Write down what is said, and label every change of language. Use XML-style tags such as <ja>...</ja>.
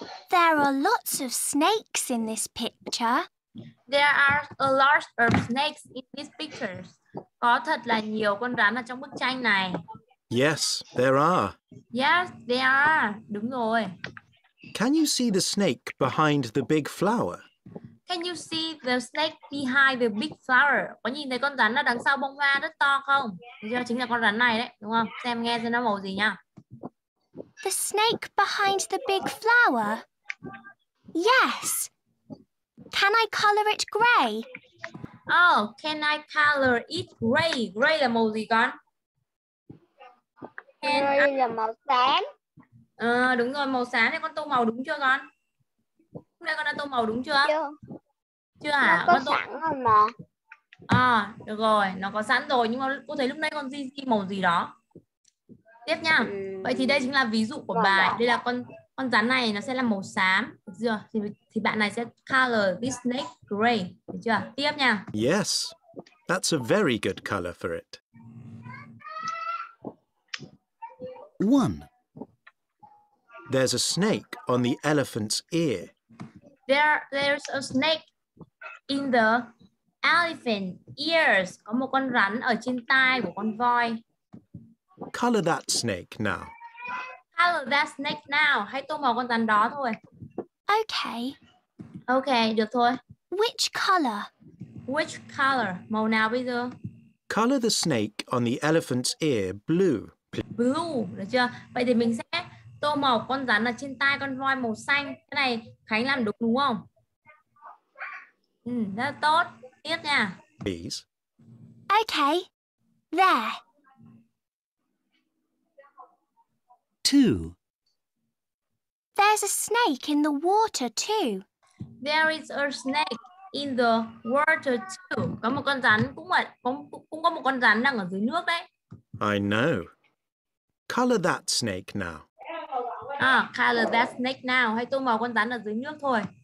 <en>There are lots of snakes in this picture. There are a lot of snakes in this picture.</en> <vi>Có thật là nhiều con rắn ở trong bức tranh này.</vi> <en>Yes, there are. Yes, there are.</en> <vi>Đúng rồi.</vi> <en>Can you see the snake behind the big flower? Can you see the snake behind the big flower?</en> <vi>Có nhìn thấy con rắn ở đằng sau bông hoa rất to không? Đó chính là con rắn này đấy, đúng không? Xem nghe xem nó màu gì nhá.</vi> <en>The snake behind the big flower? Yes. Can I colour it grey? Oh, can I colour it grey? Grey</en> <vi>là màu gì con? Grey là màu xám. Ờ, đúng rồi, màu xám. Thế con tô màu đúng chưa con? Hôm nay con đã tô màu đúng chưa? Chưa. Chưa hả? Nó có con tô... sẵn rồi mà. Ờ, à, được rồi, nó có sẵn rồi. Nhưng mà cô thấy lúc nãy con di màu gì đó. Tiếp nha. Vậy thì đây chính là ví dụ của bài. Đây là con Con rắn này nó sẽ là màu xám, được chưa? Thì bạn này sẽ</vi> <en>color this snake gray,</en> <vi>được chưa? Tiếp nha.</vi> <en>Yes, that's a very good color for it. One. There's a snake on the elephant's ear. There's a snake in the elephant ears.</en> <vi>Có một con rắn ở trên tai của con voi.</vi> <en>Color that snake now. Color that snake now.</en> <vi>Hãy tô màu con rắn đó thôi.</vi> <en>Okay.</en> <vi>Okay, được thôi.</vi> <en>Which color? Which color?</en> <vi>Màu nào bây giờ?</vi> <en>Color the snake on the elephant's ear blue.</en> <vi>Blue, được chưa? Vậy thì mình sẽ tô màu con rắn ở trên tai con voi màu xanh. Cái này Khánh làm đúng không? Ừ, rất tốt. Tiếp nha.</vi> <en>Please. Okay. There. Two. There's a snake in the water too. There is a snake in the water too.</en> <vi>Có một con rắn cũng có một con rắn đang ở dưới nước đấy.</vi> <en>I know. Color that snake now. À, color that snake now.</en> <vi>Hãy tô màu con rắn ở dưới nước thôi.</vi>